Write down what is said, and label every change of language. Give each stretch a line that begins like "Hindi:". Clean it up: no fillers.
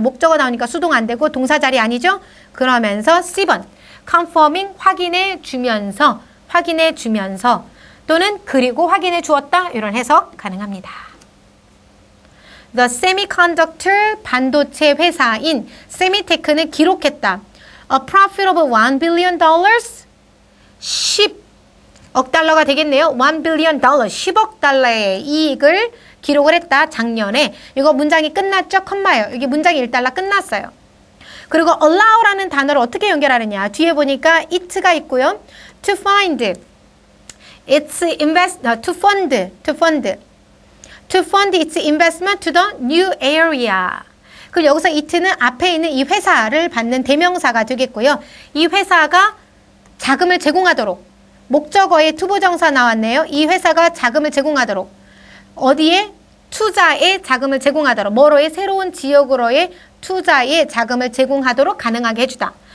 Korean: 목적어 나오니까 수동 안 되고 동사 자리 아니죠? 그러면서 C번. Confirming 확인해 주면서, 확인해 주면서 또는 그리고 확인해 주었다. 이런 해석 가능합니다.
English: The semiconductor
Korean: 반도체 회사인 세미테크는 기록했다.
English: A profit of $1 billion,
Korean: 10억 달러가 되겠네요. $1 billion, 10억 달러의 이익을 기록을 했다, 작년에. 이거 문장이 끝났죠? 컴마예요. 여기 문장이 1달러 끝났어요. 그리고 allow라는 단어를 어떻게 연결하느냐. 뒤에 보니까 it가 있고요.
English: To find, its invest, to fund, to fund. To fund its investment to the new area.
Korean: 그 여기서 it는 앞에 있는 이 회사를 받는 대명사가 되겠고요. 이 회사가 자금을 제공하도록 목적어에 투부정사 나왔네요. 이 회사가 자금을 제공하도록 어디에? 투자에 자금을 제공하도록 뭐로의 새로운 지역으로의 투자에 자금을 제공하도록 가능하게 해주다.